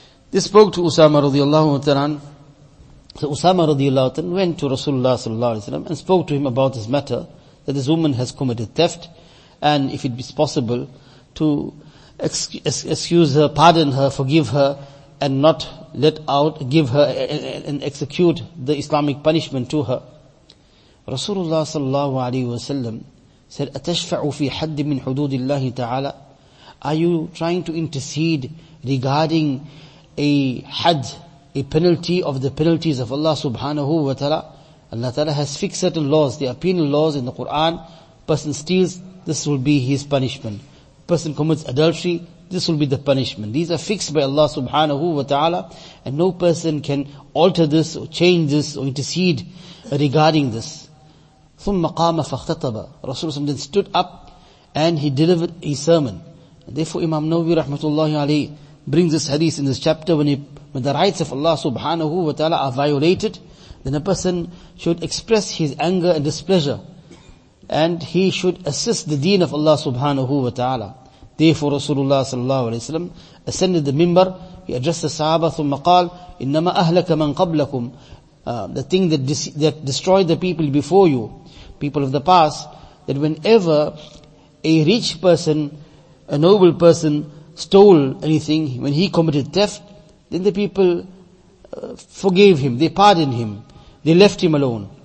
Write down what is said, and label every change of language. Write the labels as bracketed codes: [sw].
[en] They spoke to Usama radiyallahu ta'ala an. So Usama radiyallahu ta'ala an went to Rasulullah sallallahu alaihi wasallam and spoke to him about this matter, that this woman has committed theft, and if it be possible to excuse her, pardon her, forgive her, and not let out, give her and execute the Islamic punishment to her. [ar] Rasulullah sallallahu alayhi wa sallam said, أَتَشْفَعُ فِي حَدٍ مِّنْ حُدُودِ اللَّهِ تَعَالَى. [en] Are you trying to intercede regarding a had, a penalty of the penalties of Allah subhanahu wa ta'ala? Allah ta'ala has fixed certain laws. There are penal laws in the Quran. Person steals, this will be his punishment. Person commits adultery, this will be the punishment. These are fixed by Allah subhanahu wa ta'ala, and no person can alter this or change this or intercede regarding this. ثُمَّ قَامَ فَاخْتَطَبَ. Rasulullah then stood up and he delivered a sermon. Therefore Imam Nawawi rahmatullahi alayhi brings this hadith in this chapter, when the rights of Allah subhanahu wa ta'ala are violated, then a person should express his anger and displeasure, and he should assist the deen of Allah subhanahu wa ta'ala. Therefore Rasulullah sallallahu alayhi wa sallam ascended the minbar. He addressed the sahaba, ثُمَّ قَالْ إِنَّمَا أَهْلَكَ مَنْ قَبْلَكُمْ. The thing that destroyed the people before you, people of the past, that whenever a rich person, a noble person, stole anything, when he committed theft, then the people forgave him, they pardoned him, they left him alone.